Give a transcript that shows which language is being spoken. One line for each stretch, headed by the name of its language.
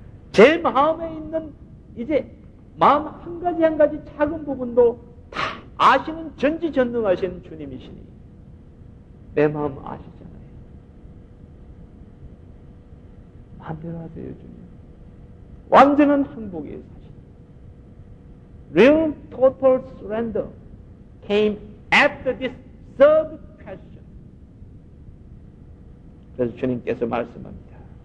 Korean: 제 마음에 있는 이제 마음 한 가지 한 가지 작은 부분도 다 아시는 전지전능하신 주님이시니 내 마음 아시잖아요. 마음대로 하세요 주님. 완전한 행복이에요 사실.
English: Real total surrender came after this third question.
Korean: 그래서 주님께서 말씀합니다.